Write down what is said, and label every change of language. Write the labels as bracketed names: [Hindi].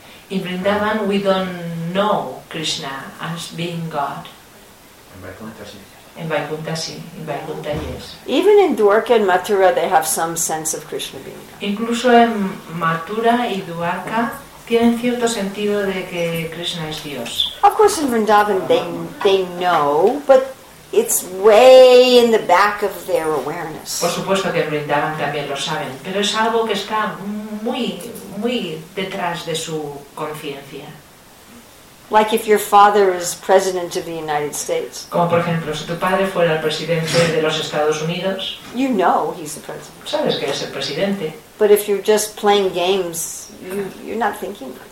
[English] In Vrindavan we don't know Krishna as being God. [Spanish] En Vaikuntha sí. [English] In Vaikuntha, sí. In Vaikuntha, yes. Even in Dwarka and Mathura, they have some sense of Krishna being God. [Spanish] Incluso en Mathura y Dwarka tienen cierto sentido de que Krishna es Dios. [English] Of course, in Vrindavan, they know, but it's way in the back of their awareness. [Spanish] Por supuesto que en Vrindavan también lo saben, pero es algo que está muy, muy detrás de su conciencia. [English] Like if your father is president of the United States. [Spanish] Como por ejemplo, si tu padre fuera el presidente de los Estados Unidos. [English] You know he's the president. [Spanish] Sabes que es el presidente. [English] But if you're just playing games, you're not thinking.